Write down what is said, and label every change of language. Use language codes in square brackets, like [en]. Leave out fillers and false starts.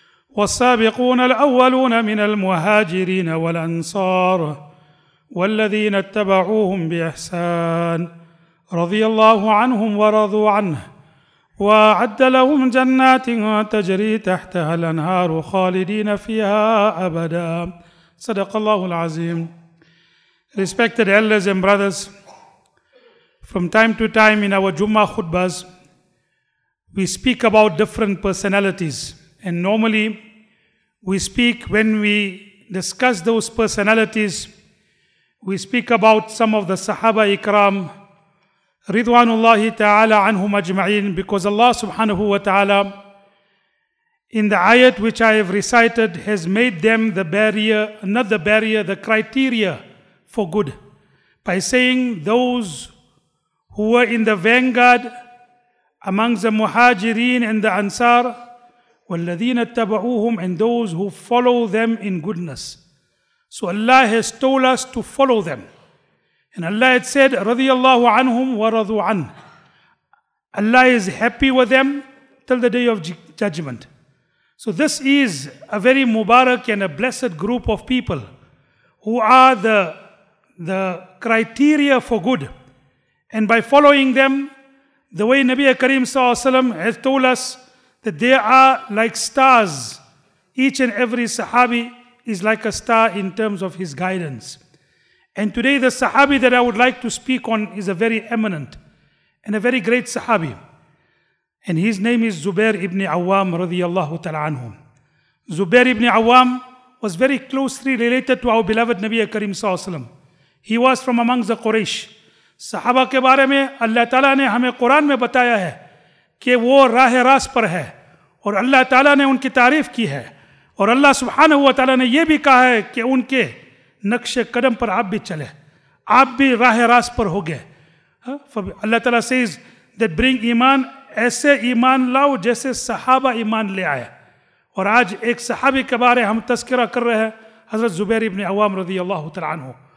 [ar] والسابقون الأولون من المهاجرين والأنصار والذين اتبعوهم بإحسان رضي الله عنهم ورضوا عنه وأعد لهم جنات تجري تحتها الأنهار خالدين فيها أبدا، صدق الله العظيم. [en] Respected elders and brothers, from time to time in our Jummah khutbas, we speak about different personalities. And normally, we speak, when we discuss those personalities, we speak about some of the Sahaba Ikram, [ar] Ridwanullahi ta'ala anhum ajma'in, [en] because Allah subhanahu wa ta'ala, in the ayat which I have recited, has made them the barrier, not the barrier, the criteria for good, by saying those who were in the vanguard among the muhajireen and the ansar, [ar] وَالَّذِينَ اتَّبَعُوهُمْ, [en] and those who follow them in goodness. So Allah has told us to follow them. And Allah had said, [ar] رضي الله عنهم ورضوا عنه. [en] Allah is happy with them till the day of judgment. So this is a very mubarak and a blessed group of people who are the criteria for good. And by following them, the way Nabi Kareem Sallallahu Alaihi Wasallam has told us, that they are like stars. Each and every Sahabi is like a star in terms of his guidance. And today the Sahabi that I would like to speak on is a very eminent and a very great Sahabi. And his name is Zubair ibn Awam radiyallahu ta'ala anhu. Zubair ibn Awam was very closely related to our beloved Nabi Kareem sallallahu alayhi wa sallam. He was from among the Quraysh. [ur] Sahaba ke baare mein Allah ta'ala ne hame Quran mein bataya hai کہ وہ راہ راست پر ہے، اور اللہ تعالیٰ نے ان کی تعریف کی ہے، اور اللہ سبحانہ و تعالیٰ نے یہ بھی کہا ہے کہ ان کے نقش قدم پر آپ بھی چلے، آپ بھی راہ راست پر ہو گئے. اللہ تعالیٰ [en] says that bring [ur] ایمان، ایسے ایمان لاؤ جیسے صحابہ ایمان لے آئے. اور آج ایک صحابی کے بارے ہم تذکرہ کر رہے ہیں، حضرت زبیر ابن عوام رضی اللہ تعالیٰ عنہ.